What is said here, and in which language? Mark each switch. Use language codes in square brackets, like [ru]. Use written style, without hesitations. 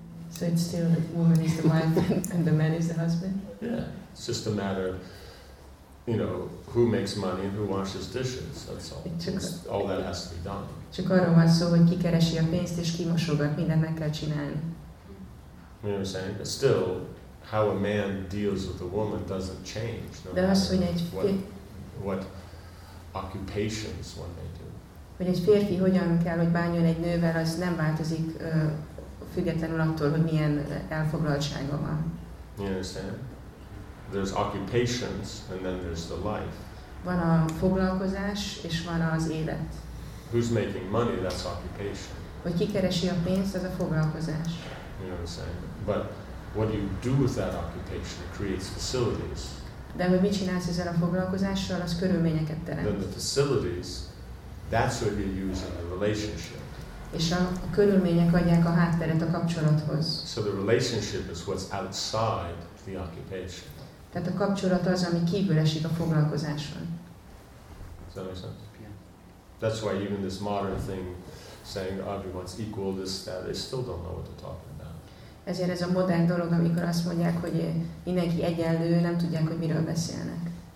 [en] So it's still the woman is the wife and the man is the husband? Yeah. It's just a matter of, you know, who makes money and who washes dishes, that's all. All that has to be done. [hu] Csak arról van szó, hogy ki keresi a pénzt és ki mosogat, mindent meg kell csinálni. [en] You know what I'm saying? But still, how a man deals with a woman doesn't change. No [hu] de az, hogy egy [en] what occupations one may do. [hu] Hogy egy férfi hogyan kell, hogy bánjon egy nővel, az nem változik, függetlenül attól, hogy milyen elfoglaltsága van. [en] You understand? There's occupations, and then there's the life. [hu] Van a foglalkozás, és van az élet. [en] Who's making money, that's occupation. [hu] hogy kikeresi a pénzt, ez a foglalkozás. [en] You know what I'm saying? But what do you do with that occupation? It creates facilities. [hu] De hogy mit csinálsz ezzel a foglalkozással, az körülményeket teremt. [en] Then the facilities, that's what you use in the relationship. [hu] És a körülmények adják a hátteret a kapcsolathoz. [en] So the relationship is what's outside the occupation. [hu] Tehát a kapcsolat az, ami kívül esik a foglalkozáson. [en] That's why even this modern thing saying everyone's equal, this, that, they still don't know what they're talking about. [hu] Ezért ez a modern dolog, amikor azt mondják, hogy mindenki egyenlő, nem tudják, hogy miről beszélnek.